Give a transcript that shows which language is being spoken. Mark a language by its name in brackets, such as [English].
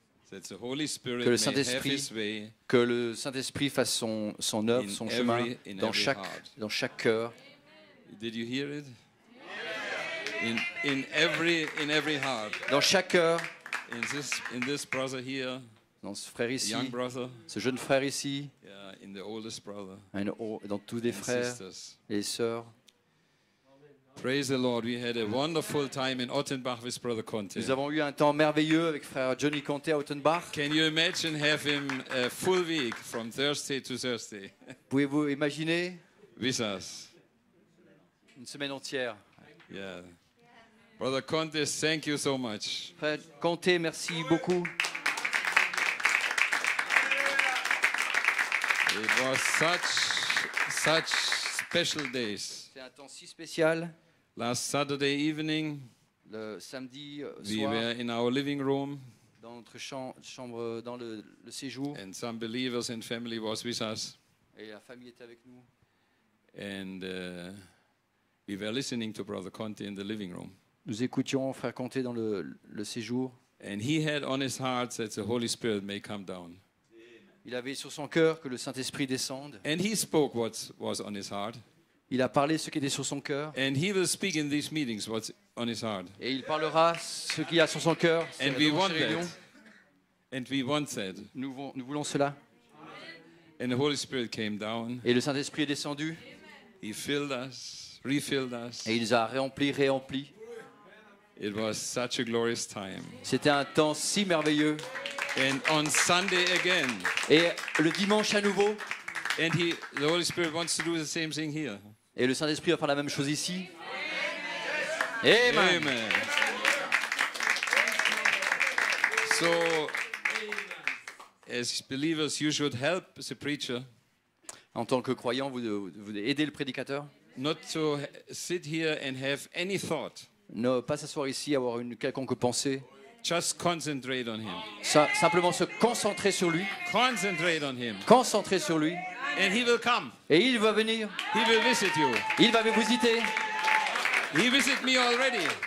[English] That the Holy Spirit may have his way. [French] Que le Saint-Esprit fasse son œuvre, son chemin dans chaque cœur. [English] Did you hear it? In every heart. [French] Dans chaque cœur. [English] In this brother here. [French] Dans ce frère ici. [English] Young brother. [French] Ce jeune frère ici. [English] Yeah, in the oldest brother. [French] Dans tous les frères et les sœurs. [English] Praise the Lord. We had a wonderful time in Ottenbach with Brother Conte. [French] Nous avons eu un temps merveilleux avec frère Johnny Conte à Ottenbach. [English] Can you imagine having him a full week from Thursday to Thursday? [French] Pouvez-vous imaginer? [English] With us. [French] Une semaine entière. [English] Yeah. Brother Conte, thank you so much. [French] Frère Conte, merci beaucoup. [English] It was such special days. [French] C'est un temps si spécial. [English] Last Saturday evening, [French] le samedi soir, [English] we were in our living room, [French] dans notre chambre, dans le séjour, [English] and some believers and family was with us. [French] Et la famille était avec nous. [English] And we were listening to Brother Conte in the living room. [French] Nous écoutions frère Conte dans le séjour. [English] And he had on his heart that the Holy Spirit may come down. [French] Il avait sur son cœur que le Saint-Esprit descende. [English] And he spoke what was on his heart. [French] Il a parlé ce qui était sur son cœur. [English] And he will speak in these meetings what's on his heart. [French] Et il parlera ce qu'il y a sur son cœur. [English] And we want that. And we want that. [French] Nous voulons cela. [English] And the Holy Spirit came down. [French] Et le Saint-Esprit est descendu. [English] He filled us, refilled us. [French] Et il nous a remplis. [English] It was such a glorious time. [French] C'était un temps si merveilleux. [English] And on Sunday again. [French] Et le dimanche à nouveau. [English] And the Holy Spirit wants to do the same thing here. [French] Et le Saint-Esprit va faire la même chose ici. Amen. Amen. [English] So, as believers, you should help the preacher. [French] En tant que croyant, vous aidez le prédicateur. [English] Not to sit here and have any thought. [French] Ne pas s'asseoir ici avoir une quelconque pensée. [English] Just concentrate on him. [French] Simplement se concentrer sur lui. [English] Concentrate on him. [French] Concentrer sur lui. [English] And he will come. [French] Et il va venir. [English] He will visit you. [French] Il va vous visiter. [English] He visited me already.